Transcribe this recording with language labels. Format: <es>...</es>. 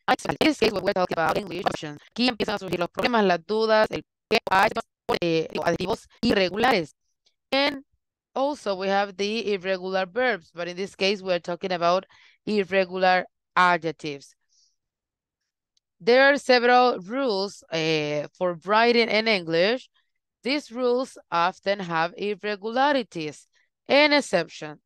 <en>In this case, we're talking about English options.</en> <es>Aquí empiezan a surgir los problemas, las dudas, el qué hay, adjetivos irregulares.</es> <en>And also we have the irregular verbs, but in this case, we're talking about irregular adjectives. There are several rules for writing in English. These rules often have irregularities and exceptions.</en>